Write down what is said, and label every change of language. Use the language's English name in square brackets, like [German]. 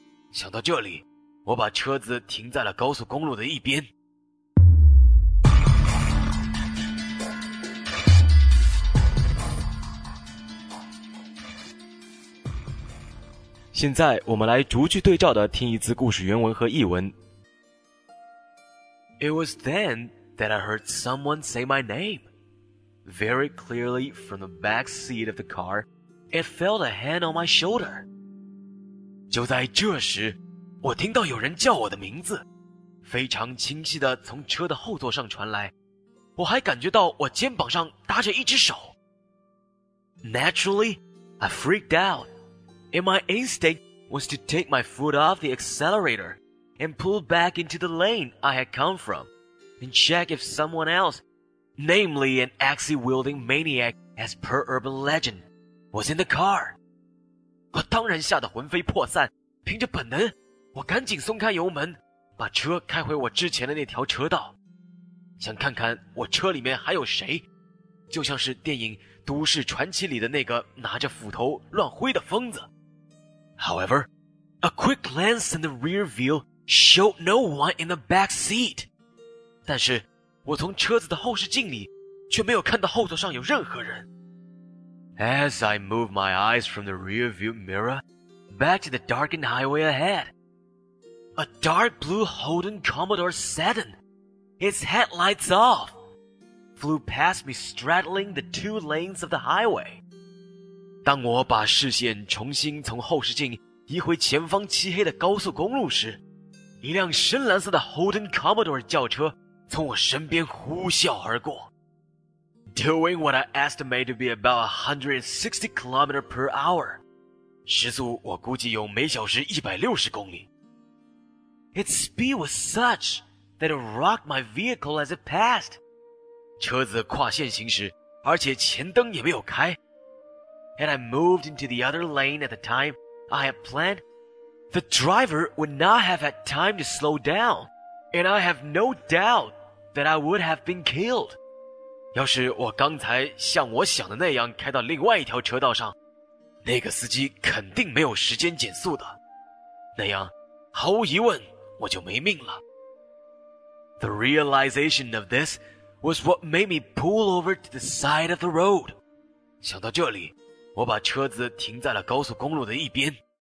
[Chinese] 想到这里，我把车子停在了高速公路的一边。现在我们来逐句对照的听一次故事原文和译文。 [English] It was then that I heard someone say my name. Very clearly from the back seat of the car, it felt a hand on my shoulder. [Chinese] 就在这时，我听到有人叫我的名字，非常清晰地从车的后座上传来，我还感觉到我肩膀上搭着一只手。 [English] Naturally, I freaked out. And my instinct was to take my foot off the accelerator and pull back into the lane I had come from and check if someone else, namely an axe-wielding maniac as per urban legend, was in the car. [Chinese] 我当然吓得魂飞魄散，凭着本能，我赶紧松开油门，把车开回我之前的那条车道，想看看我车里面还有谁，就像是电影《都市传奇》里的那个拿着斧头乱挥的疯子。 [English] However, a quick glance in the rear view showed no one in the back seat. [Chinese] 但是我从车子的后视镜里却没有看到后座上有任何人。 [English] As I moved my eyes from the rear view mirror back to the darkened highway ahead, a dark blue Holden Commodore Sedan, its headlights off, flew past me straddling the two lanes of the highway. [Chinese] 当我把视线重新从后视镜移回前方漆黑的高速公路时，一辆深蓝色的 Holden Commodore 轿车从我身边呼啸而过。 [English] Doing what I estimate to be about 160 km per hour. [Chinese] 时速我估计有每小时160公里。 [English] Its speed was such that it rocked my vehicle as it passed. [Chinese] 车子跨线行驶，而且前灯也没有开。 [English] And I moved into the other lane at the time I had planned. The driver would not have had time to slow down. And I have no doubt that I would have been killed. [Chinese] 要是我刚才像我想的那样开到另外一条车道上，那个司机肯定没有时间减速的，那样毫无疑问我就没命了。 [English] The realization of this was what made me pull over to the side of the road. [Chinese] 想到这里，我把车子停在了高速公路的一边。